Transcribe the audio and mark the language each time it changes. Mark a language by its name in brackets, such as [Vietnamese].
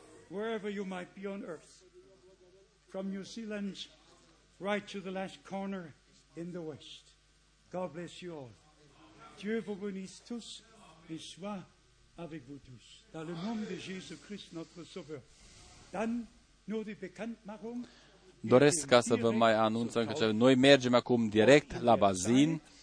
[English] Wherever you might be on earth, from New Zealand right to the last corner in the west. God bless you all. [French] Dieu vous bénisse tous et soit avec vous tous. Dans le nom de Jésus Christ, notre Sauveur. [German] Dann nur die Bekanntmachung. [Romanian] Doresc ca să vă mai anunț încă ceva. Noi mergem acum direct la bazin.